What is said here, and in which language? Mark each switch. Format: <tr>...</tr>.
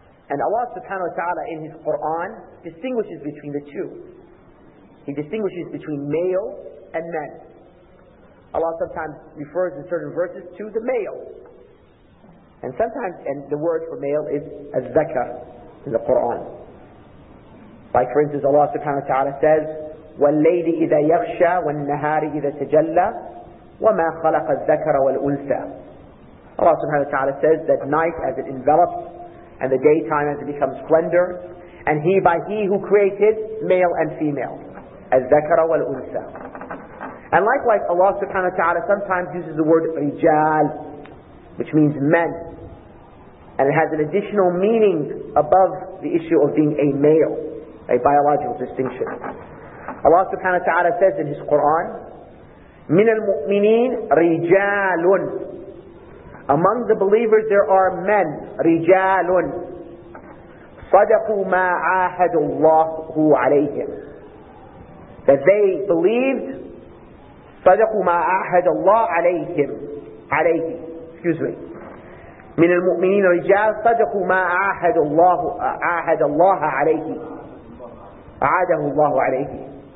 <en>And Allah subhanahu wa ta'ala in His Qur'an distinguishes between the two. He distinguishes between male and men. Allah sometimes refers in certain verses to the male. And sometimes, and the word for male is al-zakar in the Qur'an.</en> <ar>Like for instance, Allah subhanahu wa ta'ala says, وَاللَّيْلِ إِذَا يَغْشَى وَالنَّهَارِ إِذَا تَجَلَّى وَمَا خَلَقَ الزَّكَرَ وَالْأُنْثَى.</ar> <en>Allah subhanahu wa ta'ala says that night as it envelops, and the daytime as it becomes splendor, and He by He who created male and female. Al-Zakara wal-Unsa. And likewise, Allah subhanahu wa ta'ala sometimes uses the word rijal, which means men. And it has an additional meaning above the issue of being a male, a biological distinction. Allah subhanahu wa ta'ala says in His Quran,</en> <ar>من المؤمنين رجال.</ar> <en>Among the believers there are men, رجال.</en> <ar>صدقوا ما عاهد الله عليهم.</ar> <en>That they believed,</en> <ar>صدقوا ما عاهد الله عليهم.</ar> <en>Excuse me.</en> <ar>من المؤمنين رجال صدقوا ما عاهد الله عليه عاهده الله عليه.</ar>